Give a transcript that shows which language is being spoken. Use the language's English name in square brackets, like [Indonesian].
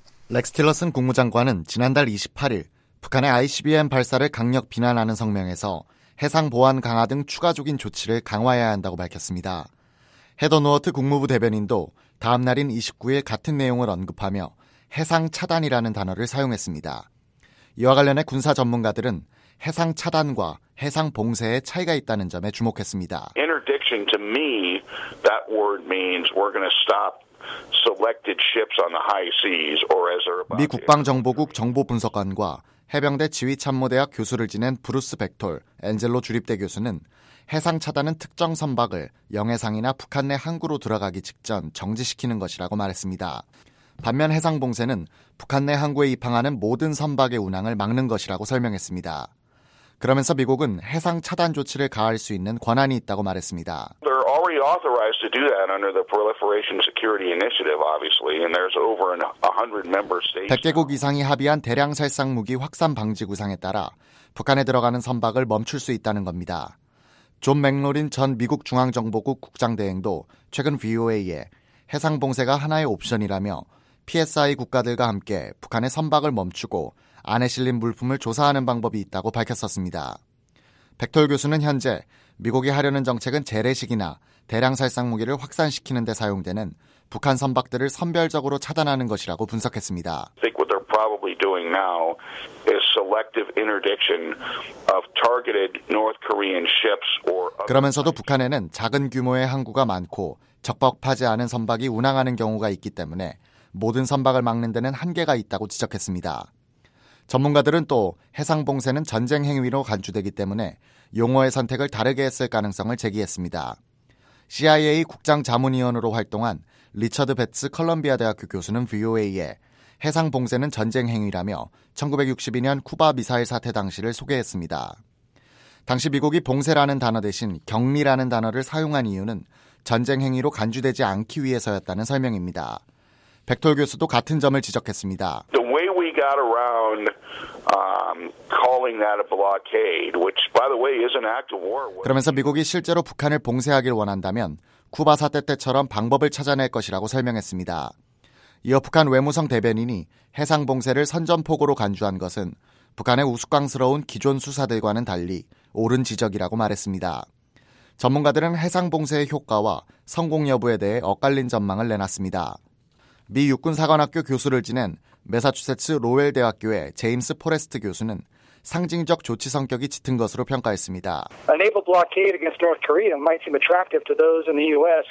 [Korean] 렉스 틸러슨 국무장관은 지난달 28일 북한의 ICBM 발사를 강력 비난하는 성명에서 해상 보안 강화 등 추가적인 조치를 강화해야 한다고 밝혔습니다. 헤더 노어트 국무부 대변인도 다음 날인 29일 같은 내용을 언급하며 해상 차단이라는 단어를 사용했습니다. 이와 관련해 군사 전문가들은 해상 차단과 해상 봉쇄의 차이가 있다는 점에 주목했습니다. [English] Interdiction to me, that word means we're going to stop selected ships on the high seas or as they're about. [Korean] 미 국방정보국 정보분석관과 해병대 지휘참모대학 교수를 지낸 브루스 백톨, 엔젤로 주립대 교수는 해상 차단은 특정 선박을 영해상이나 북한 내 항구로 들어가기 직전 정지시키는 것이라고 말했습니다. 반면 해상 봉쇄는 북한 내 항구에 입항하는 모든 선박의 운항을 막는 것이라고 설명했습니다. 그러면서 미국은 해상 차단 조치를 가할 수 있는 권한이 있다고 말했습니다. [English] They're already authorized to do that under the Proliferation Security Initiative, obviously, and there's over 100 member states. [Korean] 100개국 이상이 합의한 대량 살상 무기 확산 방지 구상에 따라 북한에 들어가는 선박을 멈출 수 있다는 겁니다. 존 맥로린 전 미국 중앙정보국 국장대행도 최근 VOA에 해상 봉쇄가 하나의 옵션이라며 PSI 국가들과 함께 북한의 선박을 멈추고 안에 실린 물품을 조사하는 방법이 있다고 밝혔었습니다. 백톨 교수는 현재 미국이 하려는 정책은 재래식이나 대량 살상 무기를 확산시키는 데 사용되는 북한 선박들을 선별적으로 차단하는 것이라고 분석했습니다. [English] I think what they're probably doing now is selective interdiction of targeted North Korean ships or. [Korean] 그러면서도 북한에는 작은 규모의 항구가 많고 적법하지 않은 선박이 운항하는 경우가 있기 때문에 모든 선박을 막는 데는 한계가 있다고 지적했습니다. 전문가들은 또 해상 봉쇄는 전쟁 행위로 간주되기 때문에 용어의 선택을 다르게 했을 가능성을 제기했습니다. CIA 국장 자문위원으로 활동한 리처드 베츠 컬럼비아 대학교 교수는 VOA에 해상 봉쇄는 전쟁 행위라며 1962년 쿠바 미사일 사태 당시를 소개했습니다. 당시 미국이 봉쇄라는 단어 대신 격리라는 단어를 사용한 이유는 전쟁 행위로 간주되지 않기 위해서였다는 설명입니다. 백톨 교수도 같은 점을 지적했습니다. [English] The way we got around calling that a blockade, which by the way is an act of war. [Korean] 그러면서 미국이 실제로 북한을 봉쇄하길 원한다면 쿠바 사태 때처럼 방법을 찾아낼 것이라고 설명했습니다. 이어 북한 외무성 대변인이 해상 봉쇄를 선전포고로 간주한 것은 북한의 우스꽝스러운 기존 수사들과는 달리 옳은 지적이라고 말했습니다. 전문가들은 해상 봉쇄의 효과와 성공 여부에 대해 엇갈린 전망을 내놨습니다. 미 육군사관학교 교수를 지낸 매사추세츠 로웰 대학교의 제임스 포레스트 교수는 상징적 조치 성격이 짙은 것으로 평가했습니다. [English] A naval blockade against North Korea might seem attractive to those in the U.S.